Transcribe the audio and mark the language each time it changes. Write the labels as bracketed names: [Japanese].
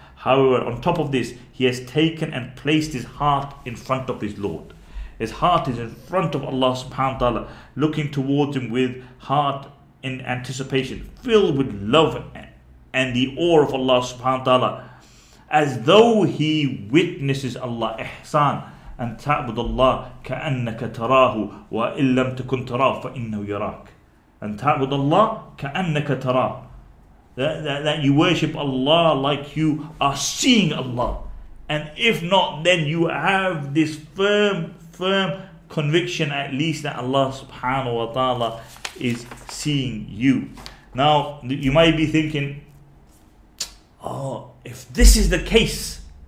[English] However, on top of this, he has taken and placed his heart in front of his Lord. His heart is in front of Allah subhanahu wa ta'ala, looking towards him with heart in anticipation, filled with love and the awe of Allah subhanahu wa ta'ala, as though he witnesses Allah, ihsan. [Arabic] And تعبد الله كأنك تراه وإن لم تكن تراه فإنه يراك. And تعبد الله كأنك تراه. [English] That you worship Allah like you are seeing Allah. And if not, then you have this firm conviction at least that Allah subhanahu wa ta'ala is seeing you. Now, you might be thinking, oh, if this is the case,